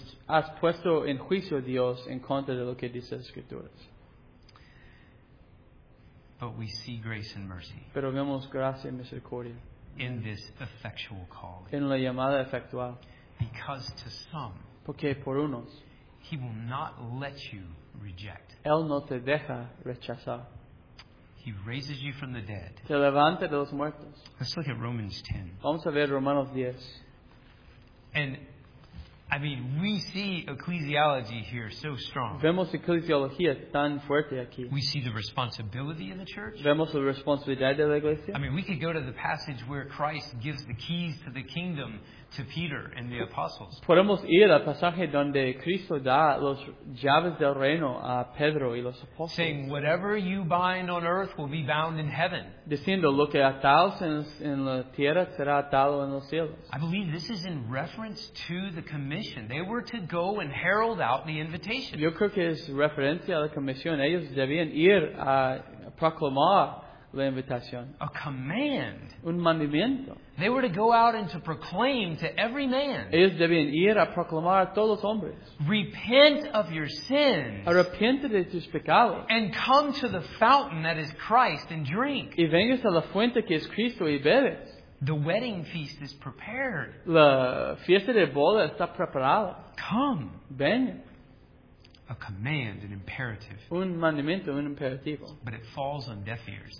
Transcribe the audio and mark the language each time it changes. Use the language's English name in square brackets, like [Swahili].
[Spanish] Entonces, has puesto en juicio a Dios en contra de lo que dice las Escrituras. [English] But we see grace and mercy. [Spanish] Pero vemos gracia y misericordia. [English] In this effectual call. [Spanish] En la llamada efectual. [English] Because to some, [Spanish] porque por unos, [English] He will not let you reject. [Spanish] Él no te deja rechazar. [English] He raises you from the dead. [Spanish] Te levanta de los muertos. [English] Let's look at Romans 10. [Spanish] Vamos a ver Romanos 10. [English] And, I mean, we see ecclesiology here so strong. [Spanish] Vemos eclesiología tan fuerte aquí. [English] We see the responsibility in the church. [Spanish] Vemos la responsabilidad de la iglesia. [English] I mean, we could go to the passage where Christ gives the keys to the kingdom to Peter and the apostles. [Spanish] Podemos ir al pasaje donde Cristo da las llaves del reino a Pedro y los apóstoles. [English] Saying, whatever you bind on earth will be bound in heaven. [Spanish] Diciendo, lo que atados en la tierra será atado en los cielos. [English] I believe this is in reference to the commission. They were to go and herald out the invitation. [Spanish] Yo creo que es referencia a la comisión. Ellos debían ir a proclamar la invitación. [English] A command. [Spanish] Un mandamiento. [English] They were to go out and to proclaim to every man. [Spanish] Ellos debían ir a proclamar a todos los hombres. [English] Repent of your sins. [Spanish] Arrepiente de tus pecados. [English] And come to the fountain that is Christ and drink. [Spanish] Y vengas a la fuente que es Cristo y bebes. [English] The wedding feast is prepared. [Spanish] La fiesta de boda está preparada. [English] Come. [Spanish] Ven. [English] A command, an imperative. [Spanish] Un mandamiento, un imperativo. [English] But it falls on deaf ears.